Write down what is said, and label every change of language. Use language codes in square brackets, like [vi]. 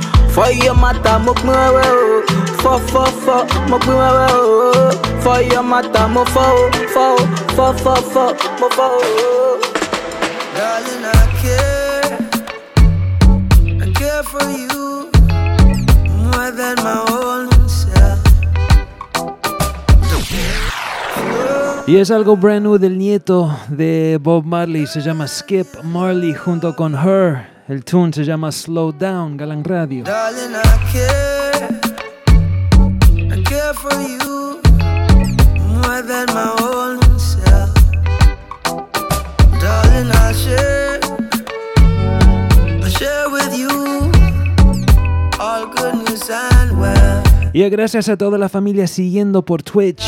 [en] For your mother, I'm a foe, foe, foe, foe, foe, my foe. For your mother, I'm a foe, foe, foe, foe, foe, my foe. Darling, I care. I care for you more than my own self. [es] Y es algo brand new del nieto de Bob Marley, se llama Skip Marley junto con Her. El tune se llama Slow Down, Galán Radio. [en] Darling, I care for you more than my own self. Darling, I share with you all goodness and well. [es] Y gracias a toda la familia siguiendo por Twitch.